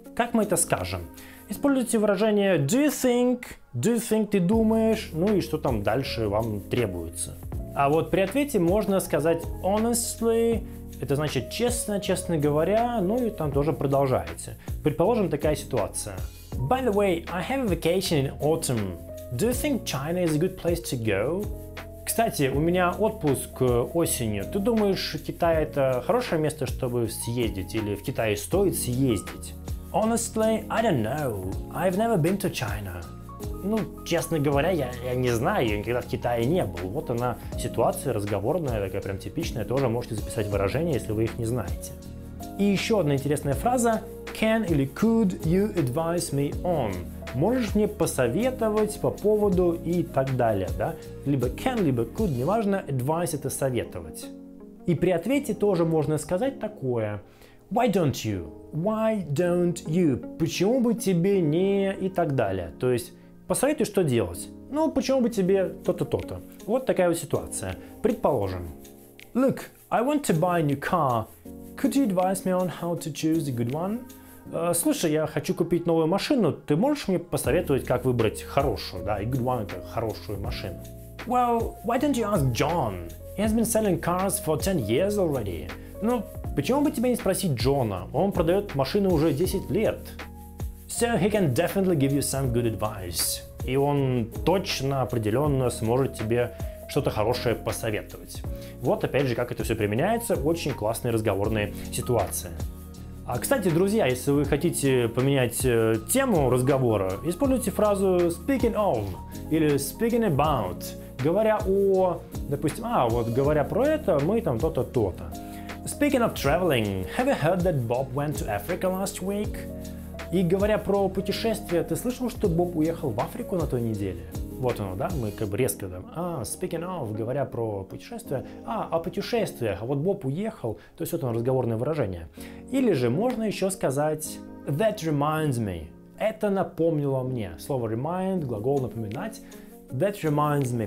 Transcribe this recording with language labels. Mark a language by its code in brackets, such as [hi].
[ru] Как мы это скажем? Используйте выражение [en] «Do you think?» [ru] «Do you think?» – «Ты думаешь?» Ну и что там дальше вам требуется. А вот при ответе можно сказать «Honestly?» Это значит «Честно, честно говоря?» Ну и там тоже продолжаете. Предположим, такая ситуация. [en] «By the way, I have a vacation in autumn. Do you think China is a good place to go?» [ru] Кстати, у меня отпуск осенью. Ты думаешь, Китай – это хорошее место, чтобы съездить? Или в Китае стоит съездить? [en] Honestly, I don't know. I've never been to China. [ru] Ну, честно говоря, я не знаю, я никогда в Китае не был. Вот она ситуация разговорная, такая прям типичная. Тоже можете записать выражение, если вы их не знаете. И еще одна интересная фраза. [en] Can или could you advise me on? [ru] Можешь мне посоветовать по поводу и так далее, да? Либо can, либо could, неважно, advice – это советовать. И при ответе тоже можно сказать такое. [en] Why don't you? Why don't you? [ru] Почему бы тебе не и так далее? То есть посоветуй, что делать. Ну, почему бы тебе то-то, то-то. Вот такая вот ситуация. Предположим. [en] Look, I want to buy a new car. Could you advise me on how to choose a good one? [ru] Слушай, я хочу купить новую машину, ты можешь мне посоветовать, как выбрать хорошую, да, и [en] good one [ru] – это хорошую машину? [en] Well, why don't you ask John? He has been selling cars for 10 years already. [ru] Ну, почему бы тебе не спросить Джона? Он продает машины уже 10 лет. [en] So he can definitely give you some good advice. [ru] И он точно, определенно сможет тебе что-то хорошее посоветовать. Вот опять же, как это все применяется, очень классные разговорные ситуации. А, кстати, друзья, если вы хотите поменять тему разговора, используйте фразу [en] speaking of [ru] или [en] speaking about, [ru] говоря о, допустим, вот говоря про это, мы там то-то, то-то. [en] Speaking of traveling, have you heard that Bob went to Africa last week? [ru] И говоря про путешествия, ты слышал, что Боб уехал в Африку на той неделе? Вот оно, да, мы как бы резко там, [en] speaking of, [ru] говоря про путешествия, о путешествиях, а вот Боб уехал, то есть вот оно, разговорное выражение. Или же можно еще сказать, [en] That reminds me. [ru] Это напомнило мне. Слово [en] remind, [ru] глагол напоминать. [en] That reminds me.